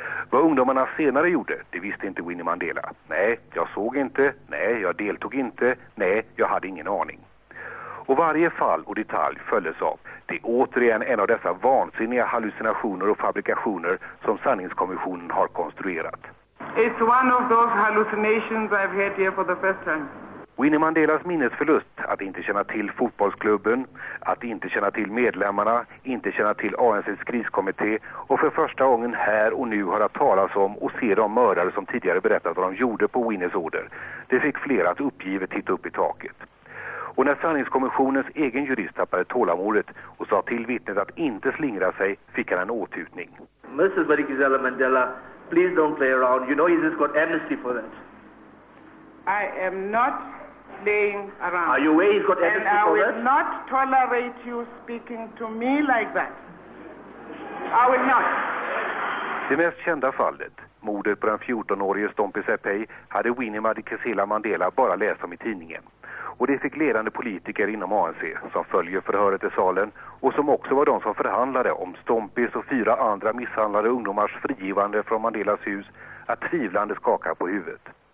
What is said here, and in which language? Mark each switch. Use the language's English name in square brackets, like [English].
[Swedish] Vad ungdomarna senare gjorde, det visste inte Winnie Mandela. Nej, jag såg inte. Nej, jag deltog inte. Nej, jag hade ingen aning. Och varje fall och detalj följdes av. Det är återigen en av dessa vansinniga hallucinationer och fabrikationer som sanningskommissionen har konstruerat. [English] It's one of those hallucinations I've had here for the first time. [Swedish] Winnie Mandelas minnesförlust att inte känna till fotbollsklubben, att inte känna till medlemmarna, inte känna till ANC:s kriskommitté och för första gången här och nu höra talas om och se de mördare som tidigare berättat vad de gjorde på Winnies order. Det fick flera att uppgivet titta upp i taket. Och när sanningskommissionens egen jurist tappade tålamodet och sa till vittnet att inte slingra sig fick han en åtutning. [English] Mrs. Madikizela Mandela, please don't play around. You know he's just got amnesty for that. I am not playing around. Are you aware he's got amnesty for that? And I will not tolerate you speaking to me like that. I will not. [Swedish] Det mest kända fallet, mordet på den 14-årige Stompie Seppei, hade Winnie Madikizela Mandela bara läst om i tidningen. Och det fick ledande politiker inom ANC som följer förhöret i salen och som också var de som förhandlade om Stompies och 4 andra misshandlade ungdomars frigivande från Mandelas hus att tvivlande skaka på huvudet.